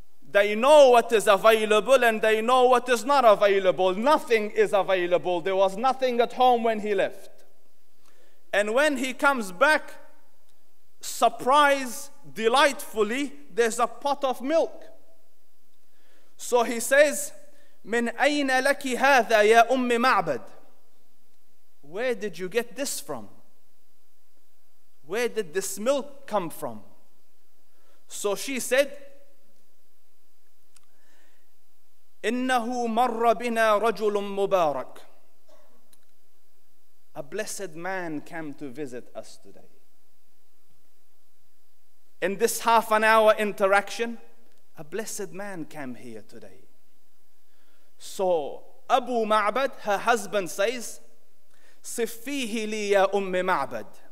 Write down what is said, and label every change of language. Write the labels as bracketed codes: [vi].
[en] They know what is available and they know what is not available. Nothing is available. There was nothing at home when he left. And when he comes back, surprise, delightfully, there's a pot of milk. So he says, [ar] من أين لك هذا يا أم معبد? [en] Where did you get this from? Where did this milk come from? So she said, [ar] إنه مر بنا رجل مبارك. [en] A blessed man came to visit us today. In this half an hour interaction, a blessed man came here today. So Abu Ma'bad, her husband, says, [ar] Sifihi li ya ummi Ma'bad.